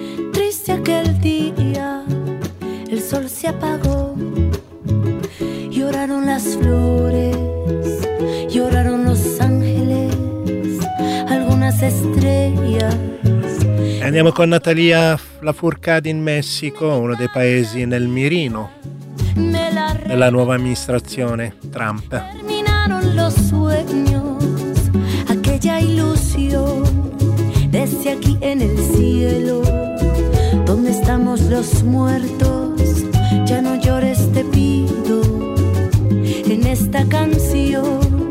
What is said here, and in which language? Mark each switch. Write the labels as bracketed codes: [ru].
[es] Triste quel dia, il sol si appagò. Lloraron las flores, lloraron los ángeles, algunas estrellas. [it] Andiamo con Natalia Lafourcade in Messico, uno dei paesi nel mirino della nuova amministrazione Trump. [es] Terminaron los sueños, aquella ilusión, desde aquí en el cielo, estamos los muertos, ya no llores, te pido, en esta canción.